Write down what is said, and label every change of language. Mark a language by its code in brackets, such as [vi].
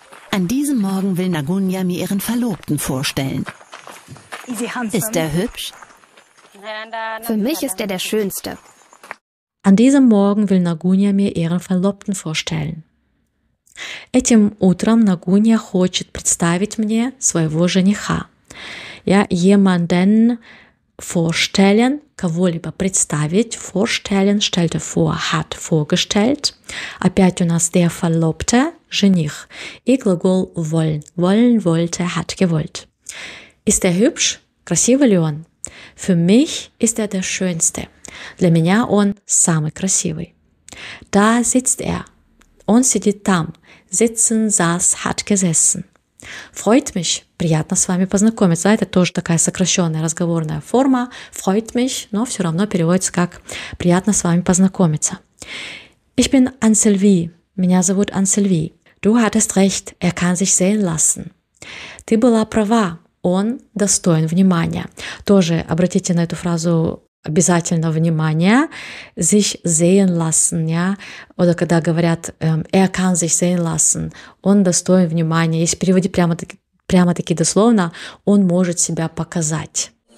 [de] An diesem Morgen will Nagunya mir ihren Verlobten vorstellen. Ist er hübsch? Für mich ist er der Schönste. An diesem Morgen will Nagunya mir ihren Verlobten vorstellen. [ru] Этим утром Нагунья хочет представить мне своего жениха. [de] Ja, jemanden vorstellen, [ru] кого-либо представить, [de] vorstellen, stellte vor, hat vorgestellt. [ru] Опять у нас der Verlobte, жених. [de] И глагол wollen, wollen, wollte, hat gewollt. Ist er hübsch? [ru] Красивый ли он? [de] Für mich ist er der Schönste. [ru] Для меня он самый красивый. [de] Da sitzt er. [ru] Он сидит там. [de] Sitzen, saß, hat gesessen. Freut mich. [ru] Приятно с вами познакомиться. Это тоже такая сокращенная разговорная форма. [de] Freut mich. [ru] Но все равно переводится как приятно с вами познакомиться. [de] Ich bin Anne Sylvie. [ru] Меня зовут [de] Anne Sylvie. Du hattest recht. Er kann sich sehen lassen. [ru] Ты была права. Он достоин внимания. Тоже обратите на эту фразу обязательно внимание. [de] Sich sehen lassen, ja? Oder [ru] когда говорят [de] er kann sich sehen lassen. [ru] Он достоин внимания. Если переводить прямо-таки дословно, он может себя показать.